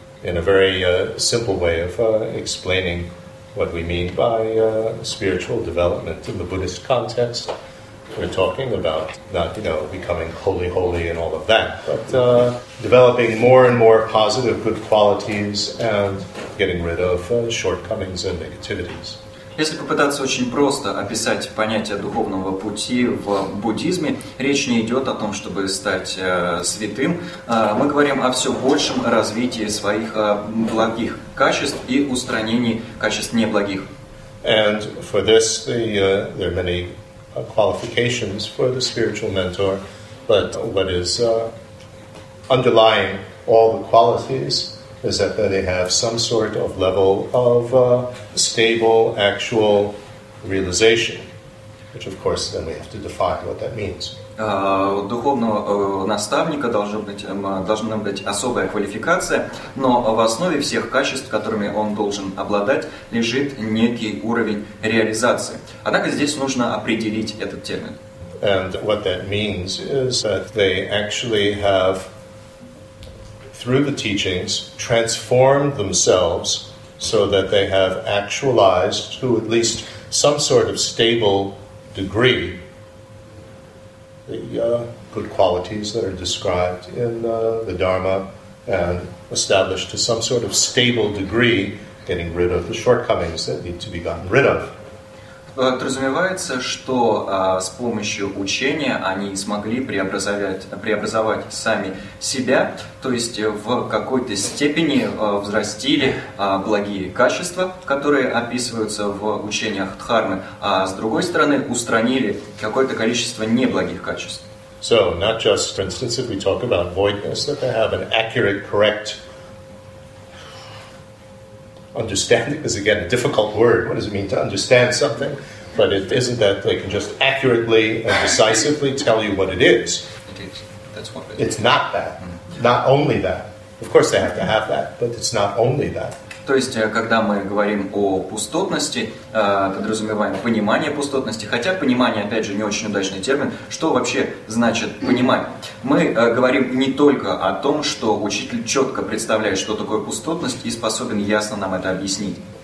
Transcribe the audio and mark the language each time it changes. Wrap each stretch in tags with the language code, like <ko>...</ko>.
<en>In a very simple way of explaining what we mean by spiritual development in the Buddhist context, we're talking about not, you know, becoming holy, holy and all of that, but developing more and more positive good qualities and getting rid of shortcomings and negativities.</en> <ru>Если попытаться очень просто описать понятие духовного пути в буддизме, речь не идет о том, чтобы стать святым. Мы говорим о все большем развитии своих благих качеств и устранении качеств неблагих.</ru> <en>And for this, there are many qualifications for the spiritual mentor, but what is underlying all the qualities is that they have some sort of level of stable actual realization, which of course then we have to define what that means.</en> <ru>Духовного наставника должна быть особая квалификация, но в основе всех качеств, которыми он должен обладать, лежит некий уровень реализации. Однако здесь нужно определить этот термин.</ru> <en>And what that means is that they actually have, through the teachings, transformed themselves so that they have actualized to at least some sort of stable degree the good qualities that are described in the Dharma and established to some sort of stable degree, getting rid of the shortcomings that need to be gotten rid of.</en> <ru>Подразумевается, что с помощью учения они смогли преобразовать сами себя, то есть в какой-то степени взрастили благие качества, которые описываются в учениях Дхармы, а с другой стороны устранили какое-то количество неблагих качеств.</ru> <en>So, not just, for instance, if we talk about voidness, that they have an accurate, correct understanding is, again, a difficult word. What does it mean to understand something? But it isn't that they can just accurately and decisively tell you what it is. That's what it is. It's not that. Mm-hmm. Not only that. Of course, they have to have that, but it's not only that.</en> <ru>То есть, когда мы говорим о пустотности, подразумеваем понимание пустотности, хотя понимание, опять же, не очень удачный термин, что вообще значит понимать? Мы говорим не только о том, что учитель четко представляет, что такое пустотность, и способен ясно нам это объяснить.</ru>